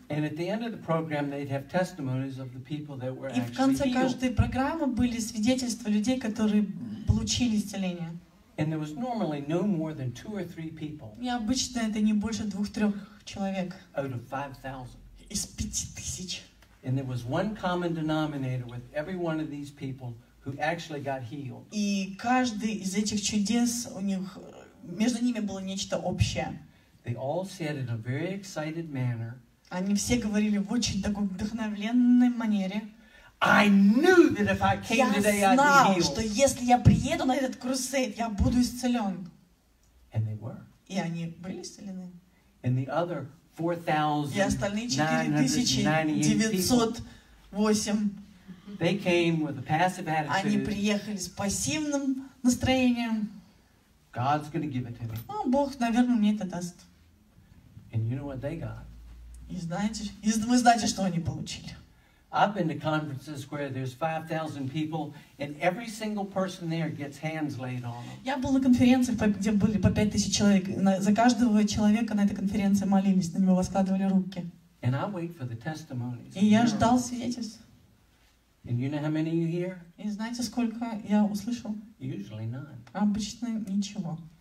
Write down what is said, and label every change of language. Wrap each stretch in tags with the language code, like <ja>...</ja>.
<en>And at the end of the program, they'd have testimonies of the people that were actually healed.</en> <ru>И в конце каждой программы были свидетельства людей, которые получили исцеление.</ru> <en>And there was normally no more than two or three people.</en> <ru>И обычно это не больше двух-трех человек.</ru> <en>Out of 5,000.</en> <ru>Из 5,000.</ru> <en>And there was one common denominator with every one of these people who actually got healed.</en> <ru>И каждый из этих чудес у них между ними было нечто общее.</ru> <en>They all said in a very excited manner.</en> <ru>Они все говорили в очень такой вдохновленной манере.</ru> <en>I knew that if I came today, I'd be healed.</en> <ru>Я знал, что если я приеду на этот крусейд, я буду исцелен.</ru> <en>And they were.</en> <ru>И они были исцелены.</ru> <en>And the other 4,998. They came with a passive attitude.</en> <ru>Они приехали с пассивным настроением.</ru> <en>God's going to give it to me.</en> <ru>Ну, Бог, наверное, мне это даст.</ru> <en>And you know what they got?</en> <ru>И вы знаете, что они получили?</ru> <en>I've been to conferences where there's 5,000 people, and every single person there gets hands laid on them.</en> <ru>Я был на конференции, где были по 5,000 человек. За каждого человека на этой конференции молились, на него воскладывали руки.</ru> <en>And I wait for the testimonies.</en> <ru>И я ждал свидетельств.</ru> <en>And you know how many you hear?</en> <ru>И знаете, сколько я услышал?</ru> <en>Usually none.</en> <ru>Обычно ничего.</ru>